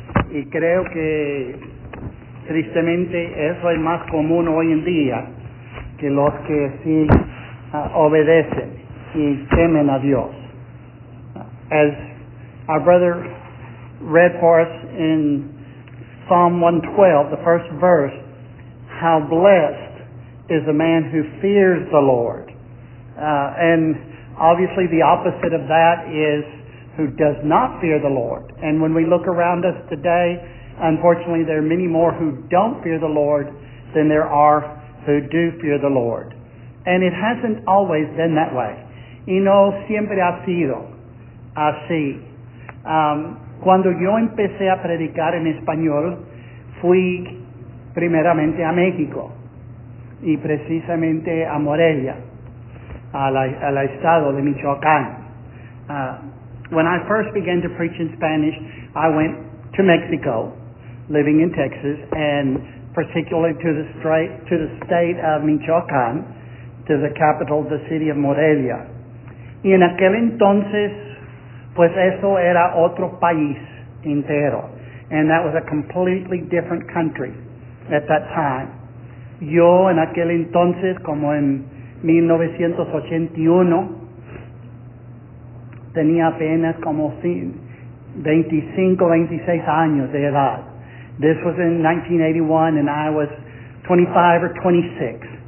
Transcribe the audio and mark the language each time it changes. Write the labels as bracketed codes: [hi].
[es] Y creo que tristemente eso es más común hoy en día que los que sí obedecen y temen a Dios. [en] As our brother read for us in Psalm 112, the first verse, how blessed is a man who fears the Lord. And obviously the opposite of that is who does not fear the Lord. And when we look around us today, unfortunately there are many more who don't fear the Lord than there are who do fear the Lord. And it hasn't always been that way. [es] Y no siempre ha sido así. Cuando yo empecé a predicar en español, fui primeramente a México y precisamente a Morelia, al estado de Michoacán. [en] When I first began to preach in Spanish, I went to Mexico, living in Texas, and particularly to the state of Michoacán, to the capital, the city of Morelia. [es] Y en aquel entonces, pues eso era otro país entero. [en] And that was a completely different country at that time. [es] Yo en aquel entonces, como en 1981, tenía apenas como 25, 26 años de edad. [en] This was in 1981, and I was 25 or 26.